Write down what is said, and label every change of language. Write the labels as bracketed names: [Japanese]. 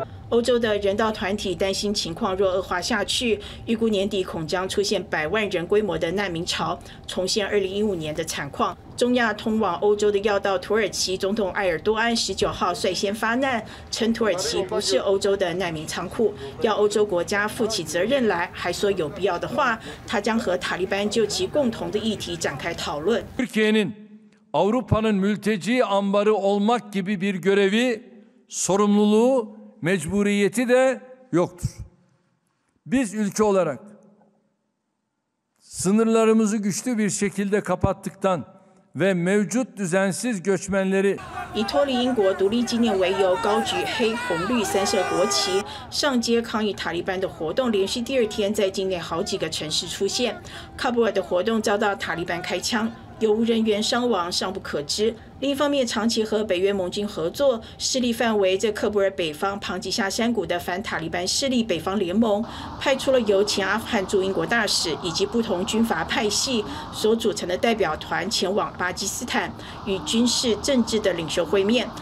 [Chinese] 欧洲的人道团体担心情况若恶化下去，预估年底恐将出现百万人规模的难民潮，重现2015年的惨况。中亚通往欧洲的要道土耳其总统埃尔多安19号率先发难，称土耳其不是欧洲的难民仓库，要欧洲国家负起责任来，还说有必要的话，他将和塔利班就其共同的议题展开讨论。 [Turkish] Türkiye'nin Avrupa'nın mülteci ambarı olmak gibi bir görevi, sorumluluğu, mecburiyeti de yoktur. Biz ülke olarak sınırlarımızı güçlü bir şekilde kapattıktan ve mevcut düzensiz göçmenleri [Chinese] 以脱离英国独立纪念为由，高举黑红绿三色国旗上街抗议塔利班的活动，连续第二天在境内好几个城市出现。喀布尔的活动遭到塔利班开枪，有无人员伤亡尚不可知。另一方面，长期和北约盟军合作，势力范围在喀布尔北方旁吉下山谷的反塔利班势力北方联盟，派出了由前阿富汗驻英国大使以及不同军阀派系所组成的代表团前往巴基斯坦，与军事政治的领袖会面。